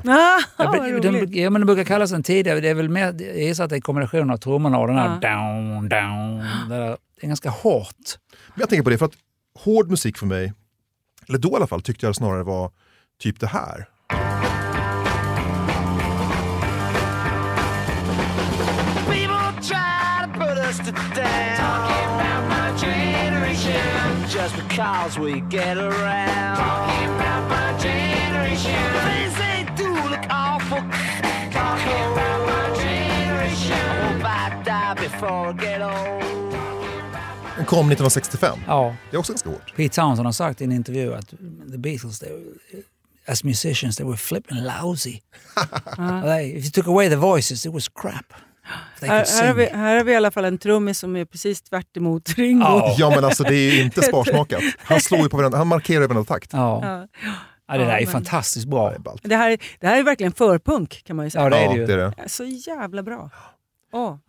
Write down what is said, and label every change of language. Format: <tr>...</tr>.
<sv>Ja, men det brukar kallas den tidigare. Det är väl med, det är så att det är kombination av trummorna och den här down, down. Det är ganska hårt. Men jag tänker på det, för att hård musik för mig, eller då i alla fall, tyckte jag snarare var typ det här.</sv> <en>People try to put us to death. Talking about my generation. Just because we get around. Talking about my generation. Things they do look awful. Talking about my generation. Hope I die before I get old.</en> <sv>Den kom 1965. Ja. Det är också ganska hårt. Pete Townsend har sagt i en intervju att The Beatles,</sv> <en>they, as musicians, they were flipping lousy. If you took away the voices, it was crap.</en> <sv>Här har vi i alla fall en trummis som är precis tvärt emot Ringo. Oh. Ja, men alltså det är ju inte sparsmakat. Han slår ju på varandra, han markerar ju varandra takt. Ja. Ja, det där är fantastiskt bra. Det här är verkligen förpunk, kan man ju säga. Ja, det är det. Det är så jävla bra. Oh.</sv>